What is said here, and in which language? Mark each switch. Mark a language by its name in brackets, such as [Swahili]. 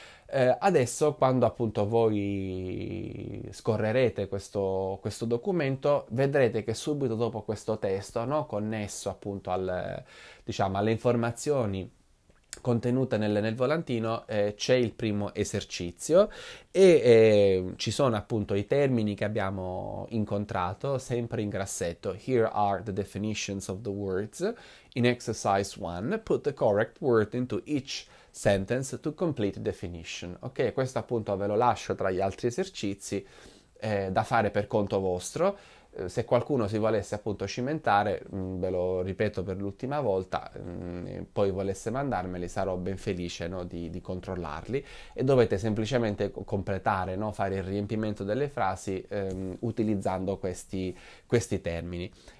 [Italian] Adesso, quando appunto voi scorrerete questo documento, vedrete che subito dopo questo testo, no, connesso appunto diciamo, alle informazioni contenute nel volantino, c'è il primo esercizio e ci sono appunto i termini che abbiamo incontrato, sempre in grassetto. [English] Here are the definitions of the words. In exercise 1, put the correct word into each sentence to complete the definition. [Italian] Ok, questo appunto ve lo lascio tra gli altri esercizi da fare per conto vostro. Se qualcuno si volesse appunto cimentare, ve lo ripeto per l'ultima volta, poi volesse mandarmeli, sarò ben felice, no, di controllarli. E dovete semplicemente completare, no, fare il riempimento delle frasi utilizzando questi termini.